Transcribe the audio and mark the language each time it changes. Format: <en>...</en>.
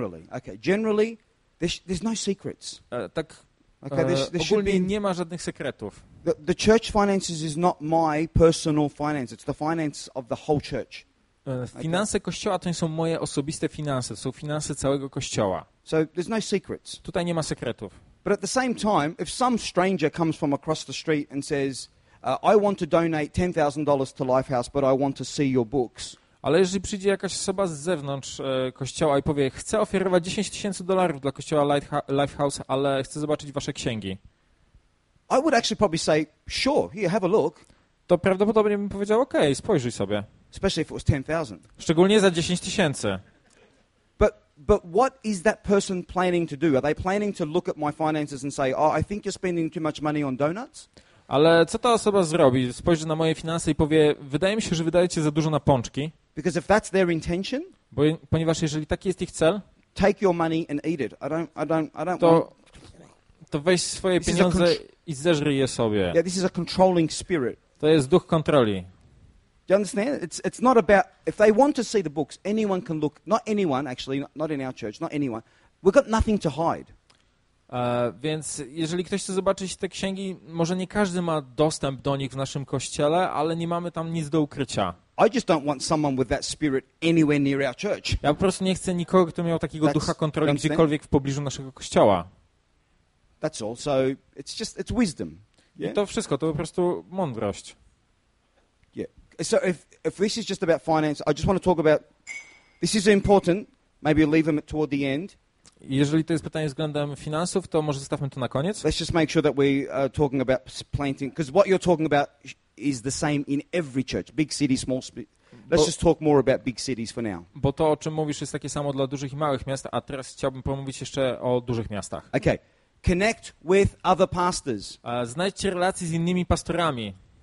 <en>Okay, generally, there's no secrets.</en> <pl>Tak, okay, ogólnie nie ma żadnych sekretów.</pl> <en>The church finances is not my personal finance. It's the finance of the whole church.</en> <pl>Finanse kościoła to nie są moje osobiste finanse. To są finanse całego kościoła.</pl> <en>So there's no secrets.</en> <pl>Tutaj nie ma sekretów.</pl> <en>But at the same time, if some stranger comes from across the street and says, I want to donate $10,000 to Lifehouse, but I want to see your books.</en> <pl>Ale jeżeli przyjdzie jakaś osoba z zewnątrz kościoła i powie, chcę ofiarować 10 tysięcy dolarów dla kościoła Lifehouse, ale chcę zobaczyć wasze księgi.</pl> <en>I would actually probably say, sure, here, have a look.</en> <pl>To prawdopodobnie bym powiedział, okej, spojrzyj sobie.</pl> <en>Especially if it was 10,000.</en> <pl>Szczególnie za 10 tysięcy.</pl> <en>But what is that person planning to do? Are they planning to look at my finances and say, oh, I think you're spending too much money on donuts?</en> <pl>Ale co ta osoba zrobi? Spojrzy na moje finanse i powie, wydaje mi się, że wydajecie za dużo na pączki.</pl> <en>Because if that's their intention,</en> <pl>bo ponieważ jeżeli taki jest ich cel,</pl> <en>take your money and eat it. I don't</en> <pl>to weź swoje pieniądze i zeżrij je sobie.</pl> <en>Yeah, this is a controlling spirit.</en> <pl>To jest duch kontroli.</pl> <en>Do you understand? It's not about, if they want to see the books, anyone can look, not anyone actually, not in our church, not anyone. We've got nothing to hide.</en> <pl>Więc jeżeli ktoś chce zobaczyć te księgi, może nie każdy ma dostęp do nich w naszym kościele, ale nie mamy tam nic do ukrycia.</pl> <en>I just don't want someone with that spirit anywhere near our church.</en> <pl>Ja po prostu nie chcę nikogo, kto miał takiego ducha kontroli gdziekolwiek w pobliżu naszego kościoła.</pl> <en>That's all. So it's wisdom.</en> <pl>Yeah? I to wszystko, to po prostu mądrość.</pl> <en>Yeah. So if this is just about finance, I just want to talk about, this is important, maybe leave them toward the end.</en> <pl>Jeżeli to jest pytanie względem finansów, to może zostawmy to na koniec.</pl> <en>Let's just make sure that we are talking about planting, because what you're talking about is the same in every church, big city, small city. Let's just talk more about big cities for now.</en> <pl>Bo to, o czym mówisz, jest takie samo dla dużych i małych miast, a teraz chciałbym pomówić jeszcze o dużych miastach.</pl> <en>Okay. Connect with other pastors.</en> <pl>Znajdźcie relacje z innymi pastorami.</pl>